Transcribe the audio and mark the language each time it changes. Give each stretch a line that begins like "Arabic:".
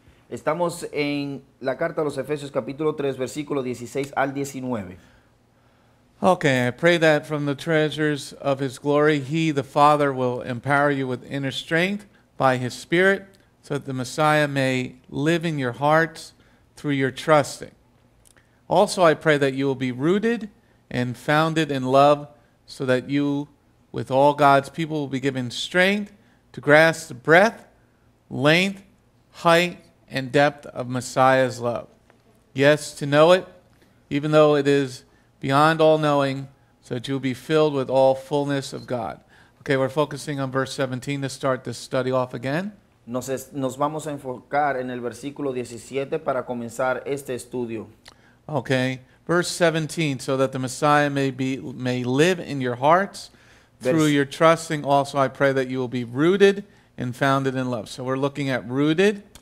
Spanish: Estamos en la carta a los Efesios capítulo 3 versículo 16 al 19.
English: Okay, I pray that from the treasures of his glory he the Father will empower you with inner strength by his spirit so that the Messiah may live in your hearts through your trusting. Also I pray that you will be rooted and founded in love so that you with all God's people will be given strength to grasp the breadth, length, height and depth of Messiah's love. Yes, to know it, even though it is beyond all knowing, so that you'll be filled with all fullness of God. Okay, we're focusing on verse 17 to start this study off again.
Spanish: Nos vamos a enfocar en el versículo 17 para comenzar este estudio.
English: Okay, verse 17, so that the Messiah may live in your hearts through your trusting. Also, I pray that you will be rooted and founded in love. So we're looking at rooted.